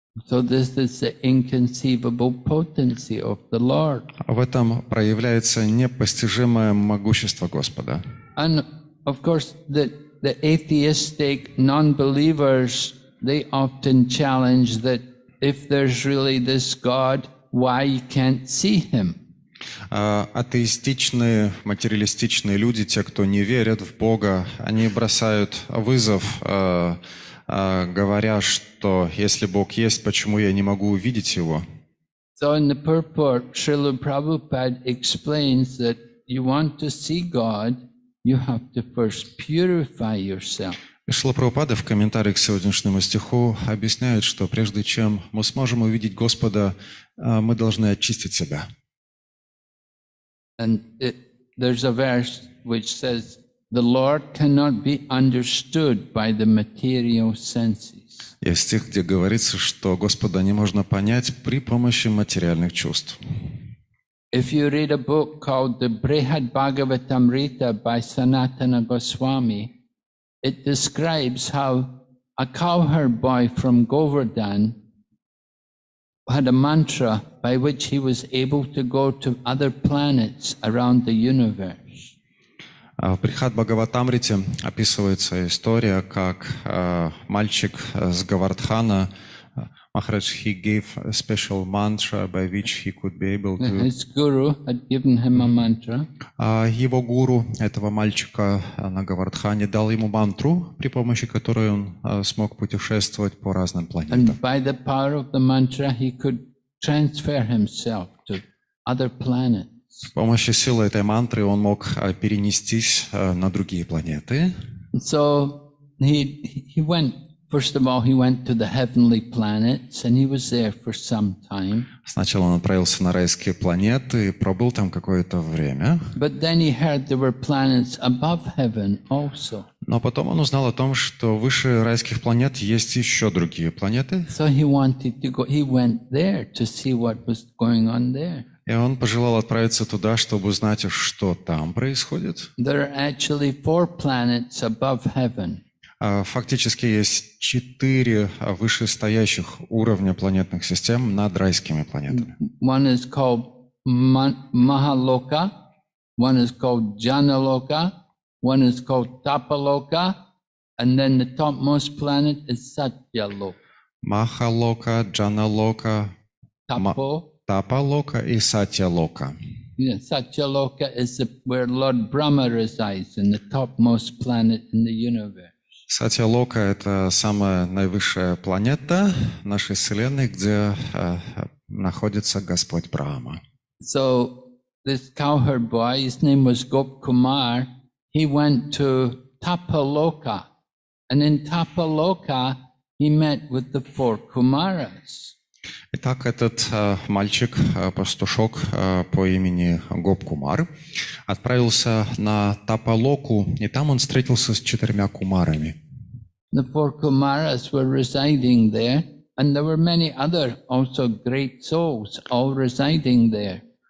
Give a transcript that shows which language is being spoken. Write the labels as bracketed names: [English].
[English] So this is the inconceivable potency of the Lord. [Russian] В этом проявляется непостижимое могущество Господа. [English] And of course the atheistic non-believers, they often challenge that if there's really this God, why you can't see him? [Russian] Атеистичные, материалистичные люди, те, кто не верят в Бога, они бросают вызов, говоря, что если Бог есть, почему я не могу увидеть его? [English] So in the purport, Srila Prabhupada explains that you want to see God, you have to first purify yourself. [Russian] Шрила Прабхупада в комментариях к сегодняшнему стиху объясняет, что прежде чем мы сможем увидеть Господа, мы должны очистить себя. [English] And there's a verse which says the Lord cannot be understood by the material senses. [Russian] Есть стих, где говорится, что Господа не можно понять при помощи материальных чувств. [English] If you read a book called The Brihad Bhagavatamrita by Sanatana Goswami, it describes how a cowherd boy from Govardhan had a mantra by which he was able to go to other planets around the universe. [Russian] В Брихад Бхагаватамрите описывается история, как мальчик с Говардхана. [English] Maharaj, he gave a special mantra by which he could be able to... His guru had given him a mantra. [Russian] Его гуру, этого мальчика на Говардхане, дал ему мантру, при помощи которой он смог путешествовать по разным планетам. [English] And by the power of the mantra, he could transfer himself to other planets. [Russian] С помощью силы этой мантры он мог перенестись на другие планеты. [English] So he went... First of all, he went to the heavenly planets, and he was there for some time. [Russian] Сначала он отправился на райские планеты и пробыл там какое-то время. [English] But then he heard there were planets above heaven also. [Russian] Но потом он узнал о том, что выше райских планет есть еще другие планеты. [English] So he wanted to go. He went there to see what was going on there. [Russian] И он пожелал отправиться туда, чтобы узнать, что там происходит. [English] There are actually four planets above heaven. [Russian] Фактически есть четыре вышестоящих уровня планетных систем над райскими планетами. [English] One is called Mahaloka, one is called Janaloka, one is called Tapaloka, and then the topmost planet is Satyaloka. [Russian] Mahaloka, Janaloka, Tapaloka и Satyaloka. [English] Yeah, Satyaloka is where Lord Brahma resides, in the topmost planet in the universe. [Russian] Сатья-лока — это самая наивысшая планета нашей Вселенной, где находится Господь Брахма. [English] So, this cowherd boy, his name was Gop Kumar, he went to Tapaloka. And in Tapaloka, he met with the four Kumaras. [Russian] Итак, этот мальчик, пастушок по имени Гоп-Кумар, отправился на Тапалоку, и там он встретился с четырьмя кумарами. [English] The four kumaras were residing there, and there were many other also great souls all residing there.